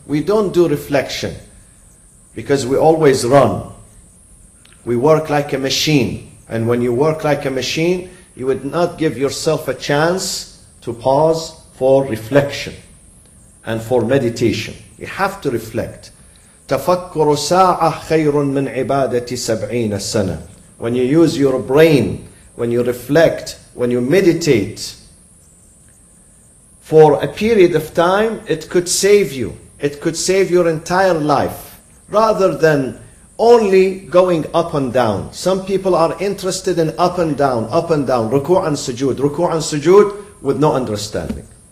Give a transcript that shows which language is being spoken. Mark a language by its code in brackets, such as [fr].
[en] We don't do reflection because we always run. We work like a machine. And when you work like a machine, you would not give yourself a chance to pause for reflection and for meditation. You have to reflect. [ar] تفكر ساعة خير من عبادة سبعين سنة. [en] When you use your brain, when you reflect, when you meditate, for a period of time, it could save you. It could save your entire life, rather than only going up and down. Some people are interested in up and down, ruku' and sujood with no understanding.